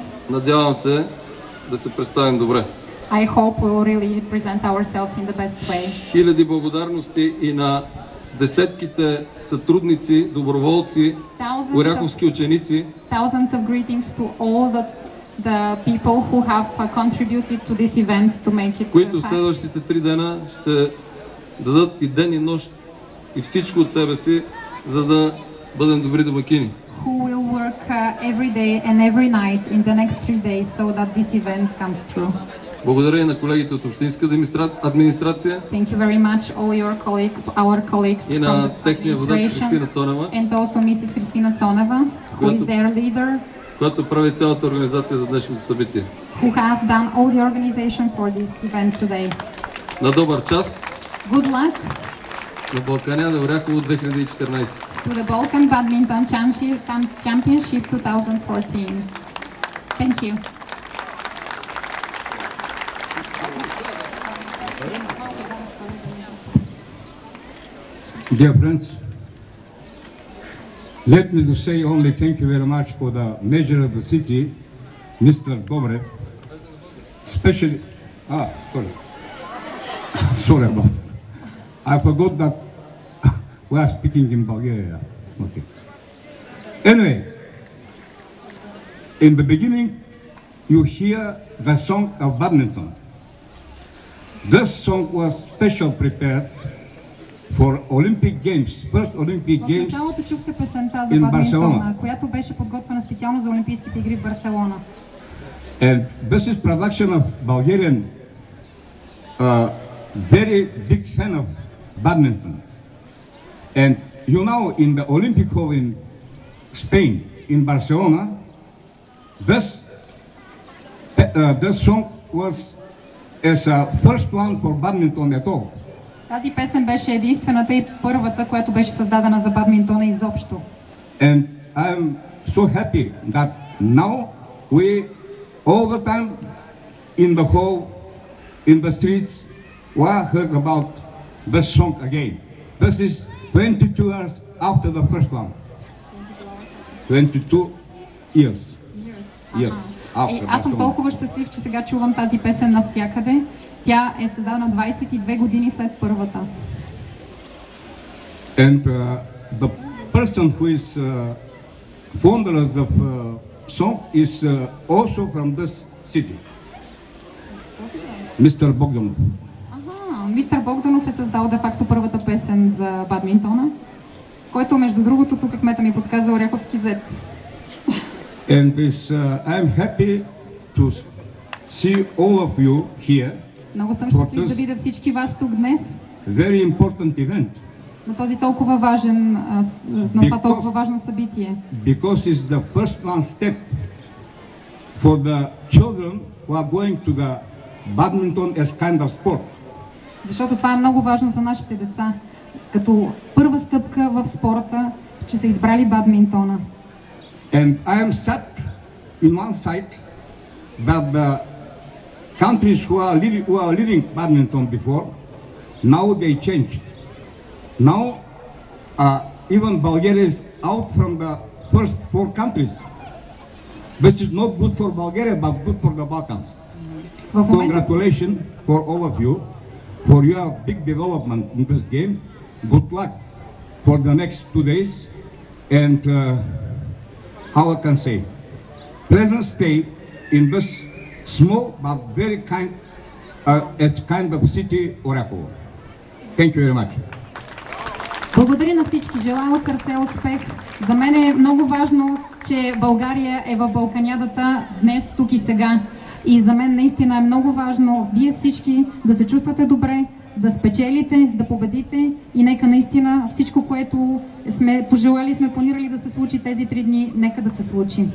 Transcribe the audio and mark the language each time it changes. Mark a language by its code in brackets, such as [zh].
[bg] Надявам се да се представим добре. [en] I hope we'll really present ourselves in the best way. [bg] Хиляди благодарности и на десетките сътрудници, доброволци, оряховски ученици. [en] Thousands of greetings to all the people who have contributed to this event to make it. [bg] Които следващите три дена ще дадат и ден и нощ и всичко от себе си, за да бъдем добри домакини. [en] Who will work every day and every night in the next three days so that this event comes true. [bg] Благодаря и на колегите от общинска администрация. [en] Thank you very much all your colleagues, our colleagues from the administration. And also Mrs. Кристина Цонева, who is their leader. [bg] Която прави цялата организация за днешното събитие. [en] Who has done all the organization for this event today. [bg] На добър час. [en] Good luck. [bg] На Балканяда Оряхово 2014. [en] To the Balkan Badminton Championship 2014. Thank you. Dear friends, let me just say only thank you very much for the mayor of the city, Mr. Dobre, especially, sorry about that. I forgot that we are speaking in Bulgaria, okay. Anyway, in the beginning, you hear the song of badminton. This song was special prepared for Olympic Games, first Olympic Games in Barcelona. [bg] В началото чухте песента за бадминтона, която беше подготвена специално за Олимпийските игри в Барселона. [en] And this is production of Bulgarian, very big fan of badminton. And you know, in the Olympic Hall in Spain, in Barcelona, this song was as a first one for badminton at all. [bg] Тази песен беше единствената и първата, която беше създадена за бадминтона изобщо. [en] And I am so happy that now we all the time in the hall, in the streets, we heard about this song again. This is 22 years after the first one. 22 years. Years. Uh-huh. Yes. [bg] Аз съм толкова щастлив, че сега чувам тази песен навсякъде. Тя е създадена 22 години след първата. [en] And the person who is founder of the song is also from this city. Mr. Богданов. [bg] Мистер Богданов е създал де-факто първата песен за бадминтона, който между другото тук кмета ми подсказва Оряховски зет. [en] And is I am happy to see all of you here. [bg] Много съм щастлив да видя всички вас тук днес. [en] Very important event. [bg] На този толкова важен, на това толкова важно събитие. [en] Because it's the first one step for the children who are going to the badminton as kind of sport. [bg] Защото това е много важно за нашите деца, като първа стъпка в спорта, че са избрали бадминтона. [en] And I am sad in one side that the countries who are living badminton before, now they changed. Now even Bulgaria is out from the first four countries. This is not good for Bulgaria, but good for the Balkans. Congratulations for all of you, for your big development in this game. Good luck for the next two days. And how I can say, pleasant stay in this small but very kind, as kind of city, Оряхово. Thank you very much. [bg] Благодаря на всички. Желая от сърце успех. За мен е много важно, че България е в Балканядата днес, тук и сега. И за мен наистина е много важно вие всички да се чувствате добре, да спечелите, да победите и нека наистина всичко, което сме пожелали, сме планирали да се случи тези три дни, нека да се случи.